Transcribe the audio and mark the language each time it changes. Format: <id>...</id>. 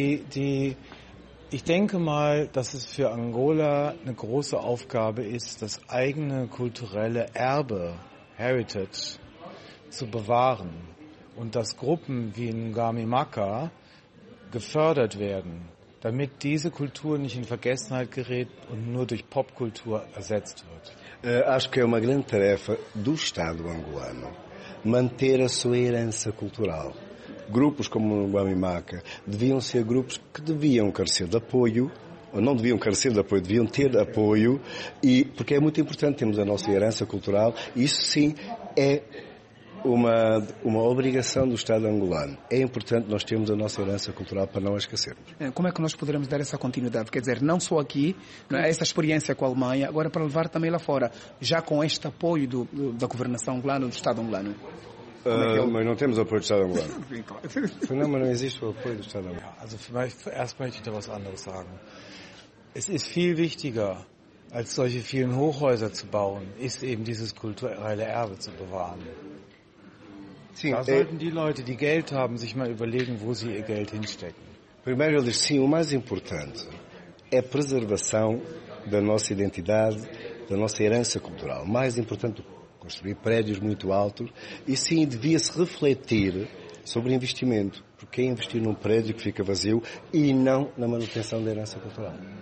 <de>Ich denke mal, dass es für Angola eine große Aufgabe ist, das eigene kulturelle Erbe, Heritage, zu bewahren. Und dass Gruppen wie Ngami Maka gefördert werden, damit diese Kultur nicht in Vergessenheit gerät und nur durch Popkultur ersetzt wird.</de> <pt>Acho que é uma grande tarefa do Estado angolano manter a sua herança cultural. Grupos como o Ngami Maka deviam ser grupos que deviam carecer de apoio, ou não deviam carecer de apoio, deviam ter apoio, e, porque é muito importante, temos a nossa herança cultural, isso sim é uma obrigação do Estado angolano. É importante nós termos a nossa herança cultural para não a esquecermos. Como é que nós poderemos dar essa continuidade? Quer dizer, não só aqui, não é? Essa experiência com a Alemanha, agora para levar também lá fora, já com este apoio da governação angolana, do Estado angolano? Mas não temos apoio do Estado angolano. Não, mas não existe o apoio do Estado angolano.</pt> <de>Also, erst möchte ich da was anderes sagen. Es ist viel wichtiger, als solche vielen Hochhäuser zu bauen, ist eben dieses kulturelle Erbe zu bewahren. Sim, da sollten die Leute, die Geld haben, sich mal überlegen, wo sie ihr Geld hinstecken.</de> <pt>Primeiro, ele diz, sim, o mais importante é a preservação da nossa identidade, da nossa herança cultural. Mais importante do que construir prédios muito altos, e sim, devia-se refletir sobre investimento, porque é investir num prédio que fica vazio e não na manutenção da herança cultural.</pt>